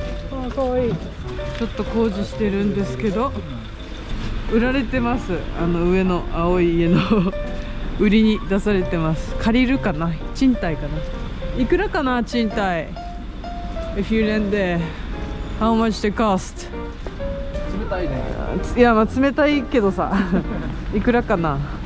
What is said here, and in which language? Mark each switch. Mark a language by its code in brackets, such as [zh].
[ja] あー、かわいい。ちょっと工事してるんですけど、売られてます。上の青い家の売りに出されてます。借りるかな、賃貸かな、いくらかな賃貸。 [en] If you rent there, how much the cost? [ja] 冷たいね。いや、まあ冷たいけどさ、いくらかな。